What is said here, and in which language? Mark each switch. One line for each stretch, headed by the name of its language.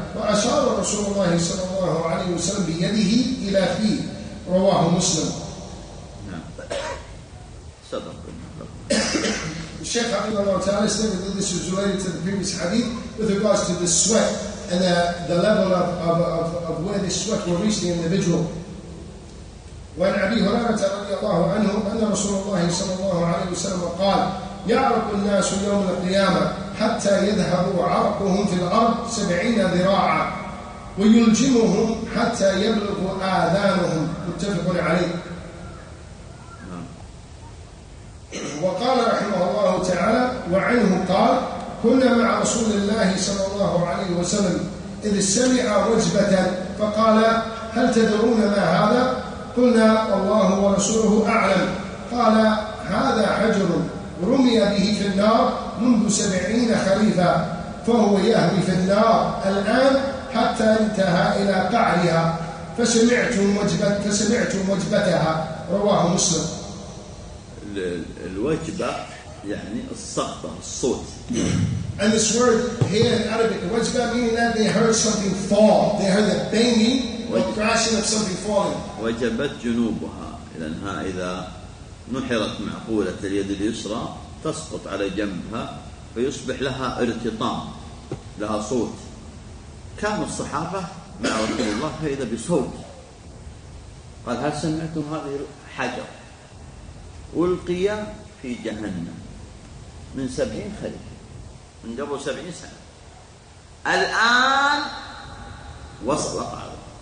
Arabic: وأشار رسول الله صلى الله عليه وسلم بيده إلى فيه رواه مسلم. الشيخ عبد الله تعالى
English: stated that this is related to the previous hadith with regards to the sweat and the level of where this sweat will reach the individual.
Arabic: وعن أبي هريرة رضي الله عنه أن رسول الله صلى الله عليه وسلم قال يعرق الناس يوم القيامة حتى يذهب عرقهم في الأرض 70 ذراعا ويلجمهم حتى يبلغ آذانهم. متفق عليه. وقال رحمه الله تعالى وعنه قال كنا مع رسول الله صلى الله عليه وسلم إذ سمع وجبة فقال هل تدرون ما هذا؟ قلنا الله ورسوله أعلم. قال هذا حجر رمي به في النار منذ 70 خريفا فهو يهوي في النار الآن حتى انتهى إلى قعرها فسمعتم وجبتها رواه مسلم. الوجبة يعني الصخبة الصوت.
English: And this word here in Arabic, وجبة, meaning that they heard something fall. They heard the banging or crashing of something falling.
Arabic: وجبت جنوبها. لأنها إذا نحرت معقولة اليد اليسرى تسقط على جنبها فيصبح لها ارتطام لها صوت. كان الصحابة مع رسول الله فإذا بصوت قال هل سمعتم هذه الحجر ألقي في جهنم من 70 خريف من قبل 70 سنة الآن وصل قعره.